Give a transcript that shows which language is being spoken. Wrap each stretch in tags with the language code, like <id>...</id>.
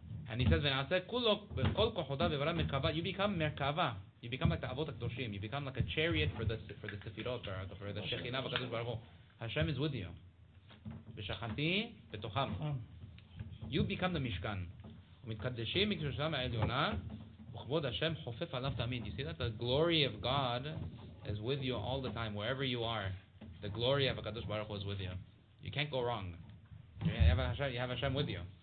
<en>And he says,</en> <he>ונעשה כולו, בכל כוחותה וברם מרכבה.</he> <en>You become מרכבה. You become like the אבות הקדושים. You become like a chariot for the ספירות, for the שכינה וקדוש ברוך הוא. Hashem is with you.</en> <he>ושכנתי בתוכם.</he> <en>You become the Mishkan.</en> <he>ומתקדשים מקדושתם העליונה, וכבוד השם חופף עליו תמיד.</he> <en>You see that the glory of God is with you all the time, wherever you are. The glory of HaKadosh Baruch Hu is with you. You can't go wrong. You have Hashem with you.</en>